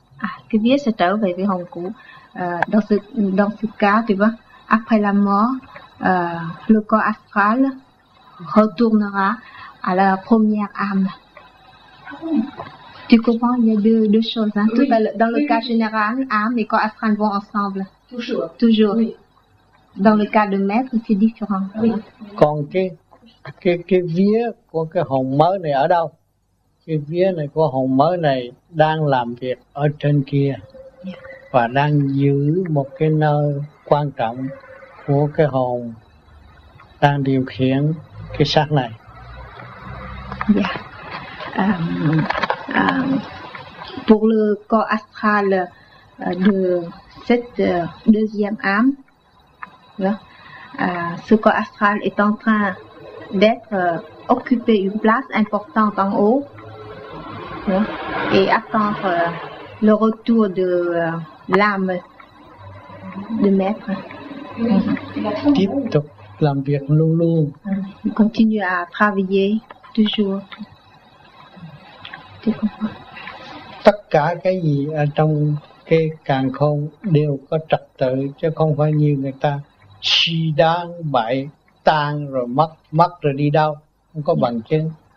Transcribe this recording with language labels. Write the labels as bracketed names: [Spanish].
[Vietnamese] Cái vía sẽ trở về với hồn cũ. [French] Dans ce cas, tu vois, après la mort, le corps astral retournera à la première âme. Tu comprends? Il y a deux choses. Hein? Oui. Dans le cas général, âme et corps astral vont ensemble. Toujours. Oui. Dans le cas de maître, c'est différent. Oui. Hein? [Vietnamese] Còn cái vía của cái hồn mới này ở đâu? Cái vía này của hồn mới này đang làm việc ở trên kia. và đang giữ một cái nơi quan trọng của cái hồn đang điều khiển cái xác này. Dạ. [French] Pour le corps astral de cette deuxième âme, ce corps astral est en train d'être occupé une place importante en haut et attendre le retour de l'âme de maître. [Vietnamese] Tiếp tục làm việc luôn luôn. [French] Continue à travailler toujours. [Vietnamese] Tất cả cái gì ở trong cái càn khôn đều có trật tự, chứ không phải như người ta chi đang bại tan rồi mất, mất rồi đi đâu, không có bằng chứng.